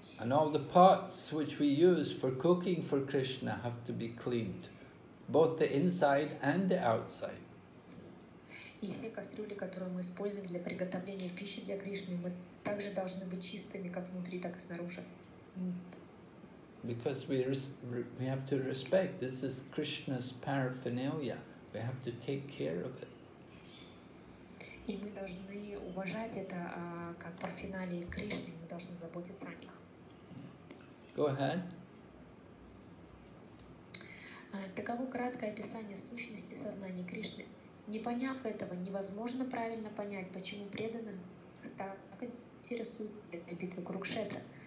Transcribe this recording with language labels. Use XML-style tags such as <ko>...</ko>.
<en>And all the pots which we use for cooking for Krishna have to be cleaned, both the inside and the outside.</en> <ru>И все кастрюли, которые мы используем для приготовления пищи для Кришны, мы также должны быть чистыми как внутри, так и снаружи.</ru> <en>Because we have to respect, this is Krishna's paraphernalia. We have to take care of it.</en> <ru>И мы должны уважать это как парфиналии Кришны, мы должны заботиться о них.</ru> <en>Go ahead.</en> <ru>Таково краткое описание сущности сознания Кришны. Не поняв этого, невозможно правильно понять, почему преданных так интересует битва Курукшетра.</ru>